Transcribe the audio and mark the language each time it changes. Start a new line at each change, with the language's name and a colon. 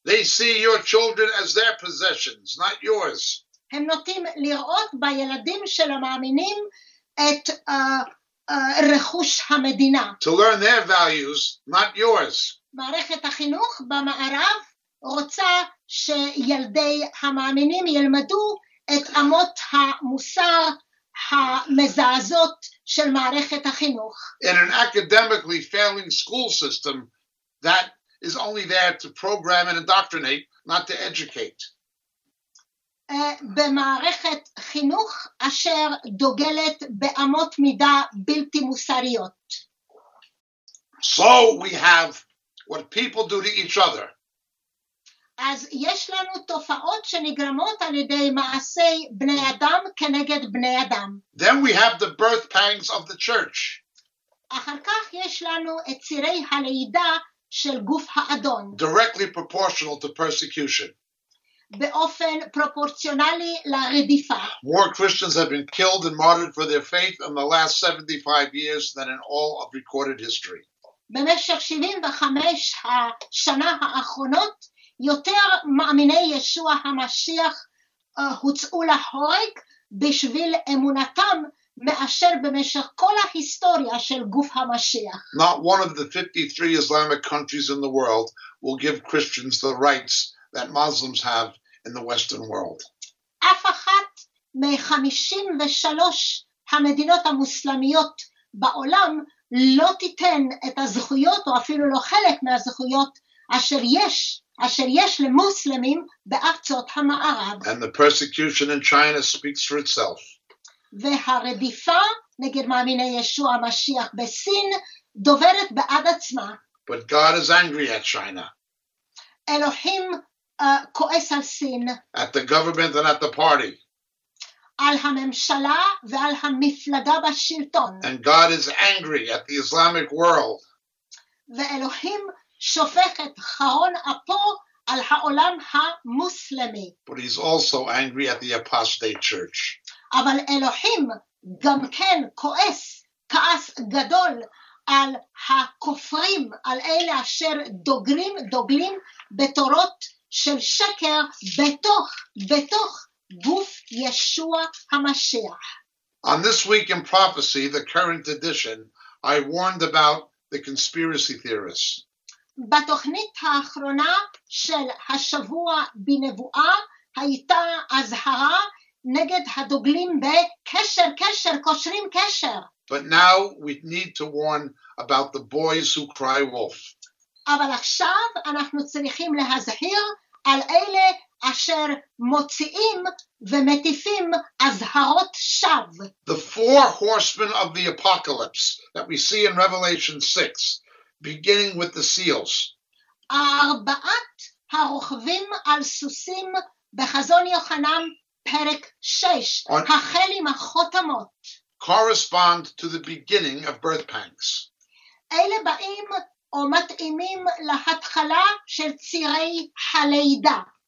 English: They see your children as their possessions, not yours.
Hebrew: הם נוטים לראות בילדים של המאמינים את רכוש המדינה.
English: To learn their values, not yours.
Hebrew: מערכת החינוך במערב רוצה שילדי המאמינים ילמדו את אמות המוסר המזעזות של מערכת החינוך.
English: In an academically failing school system that is only there to program and indoctrinate, not to educate.
Hebrew: במערכת חינוך אשר דוגלת באמות מידה בלתי מוסריות.
English: So we have what people do to each other.
Hebrew: אז יש לנו תופעות שנגרמות על ידי מעשי בני אדם כנגד בני אדם.
English: Then we have the birth pangs of the church.
Hebrew: אחר כך יש לנו את צירי הלידה של גוף האדון.
English: Directly proportional to persecution.
Hebrew: באופן פרופורציונלי לרדיפה.
English: More Christians have been killed and martyred for their faith in the last 75 years than in all of recorded history.
Hebrew: במשך 75 השנה האחרונות, יותר מאמיני ישוע המשיח הוצאו להורג בשביל אמונתם מאשר במשך כל ההיסטוריה של גוף המשיח.
English: Not one of the 53 Islamic countries in the world will give Christians the rights that Muslims have in the Western world.
Hebrew: אף אחת מ-53 המדינות המוסלמיות בעולם לא תיתן את הזכויות או אפילו לא חלק מהזכויות אשר יש למוסלמים בארצות המערב.
English: And the persecution in China speaks for itself.
Hebrew: והרדיפה נגד מאמיני ישוע המשיח בסין דוברת בעד עצמה.
English: But God is angry at China.
Hebrew: אלוהים כועס על סין.
English: At the government and at the party.
Hebrew: על הממשלה ועל המפלגה בשלטון.
English: And God is angry at the Islamic world.
Hebrew: ואלוהים שופך את חרון אפו על העולם המוסלמי.
English: But he's also angry at the apostate church.
Hebrew: אבל אלוהים גם כן כועס כעס גדול על הכופרים, על אלה אשר דוגלים בתורות של שקר בתוך גוף ישוע המשיח.
English: On this week in prophecy, the current edition, I warned about the conspiracy theorists.
Hebrew: בתוכנית האחרונה של השבוע בנבואה הייתה אזהרה נגד הדוגלים בקשר, קשר, קושרים קשר.
English: But now we need to warn about the boys who cry wolf.
Hebrew: אבל עכשיו אנחנו צריכים להזהיר על אלה אשר מוציאים ומטיפים אזהרות שווא.
English: The four horsemen of the apocalypse that we see in Revelation 6, beginning with the seals.
Hebrew: ארבעת הרוכבים על סוסים בחזון יוחנן פרק 6, החל עם החותמות.
English: Correspond to the beginning of birth pangs.
Hebrew: אלה באים או מתאימים להתחלה של צירי הלידה.